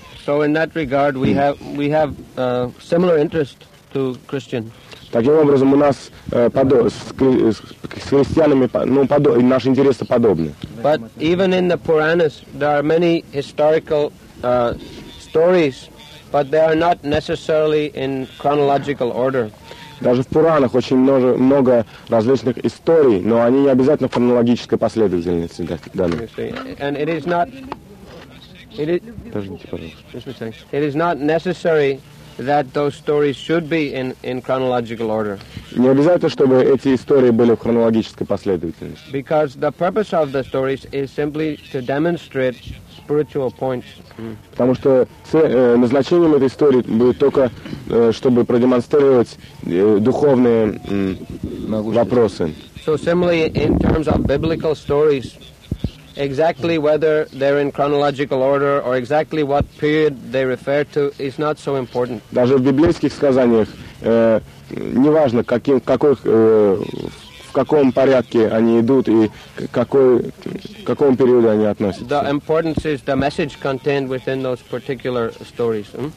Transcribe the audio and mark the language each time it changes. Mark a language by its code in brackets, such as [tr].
[en] So in that regard, we have similar interest to Christian. [ru] Таким образом, у нас с христианами наши интересы подобны. [en] But even in the Puranas, there are many historical stories, but they are not necessarily in chronological order. [ru] Даже в Пуранах очень много различных историй, но они не обязательно в хронологической последовательности даны. Не обязательно, чтобы эти истории были в хронологической последовательности. [en] Because the purpose of the stories is simply to demonstrate spiritual points. [ru] Потому что назначением этой истории будет только, чтобы продемонстрировать духовные вопросы. [en] So similarly, in terms of biblical stories, exactly whether they're in chronological order or exactly what period they refer to is not so important. [ru] Даже в библейских сказаниях неважно, в каком порядке они идут и к какому периоду они относятся. [en] The importance is the message contained within those particular stories.